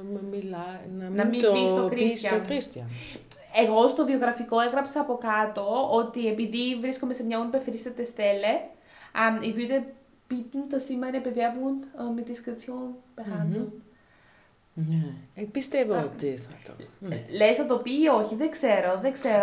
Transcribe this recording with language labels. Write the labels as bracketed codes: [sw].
[el] μην το πεις στον Κρίστιαν. Εγώ στο βιογραφικό έγραψα από κάτω ότι επειδή βρίσκομαι σε μια [de] unbefristete Stelle, ich würde bitten, dass Sie meine Bewerbung mit Diskretion behandeln. [el] Ναι, πιστεύω ότι θα το... Λες να το πει ή όχι, δεν ξέρω, δεν ξέρω.